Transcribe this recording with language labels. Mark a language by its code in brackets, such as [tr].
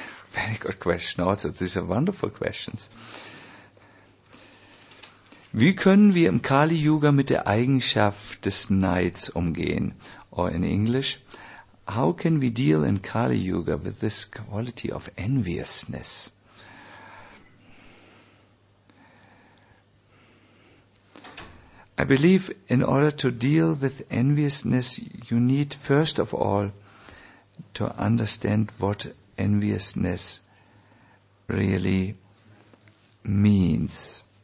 [en] Very good question. Also, these are wonderful questions. [de] Wie können wir im Kali Yuga mit der Eigenschaft des Neids umgehen? [en] Or in English, how can we deal in Kali Yuga with this quality of enviousness? I believe in order to deal with enviousness, you need first of all to understand what enviousness really means.